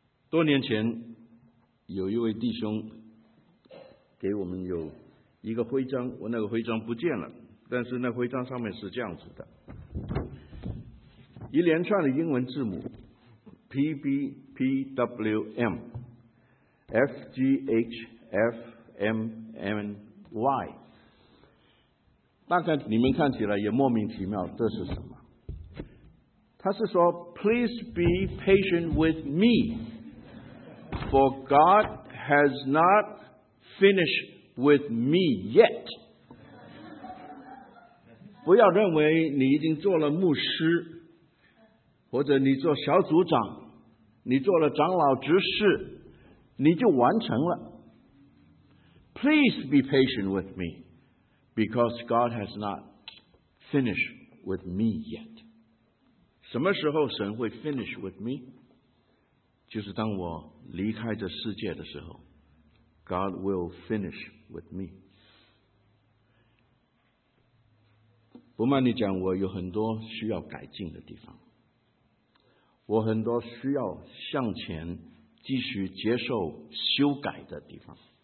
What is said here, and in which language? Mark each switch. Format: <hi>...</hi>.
<zh>多年前有一位弟兄给我们有一个徽章，我那个徽章不见了，但是那徽章上面是这样子的，一连串的英文字母 PBPWM FGHFMNY， 大概你们看起来也莫名其妙，这是什么？他是说</zh> <en>Please be patient with me, for God has not finished with me yet。</en> <zh>不要认为你已经做了牧师，或者你做小组长，你做了长老执事，你就完成了。</zh> <en>Please be patient with me, because God has not finished with me yet.</en> <zh>什么时候神会</zh> <en>finish with me?</en> <zh>就是当我离开这世界的时候，</zh> <en>God will finish with me.</en> <zh>不瞒你讲，我有很多需要改进的地方，我很多需要向前继续接受修改的地方。</zh>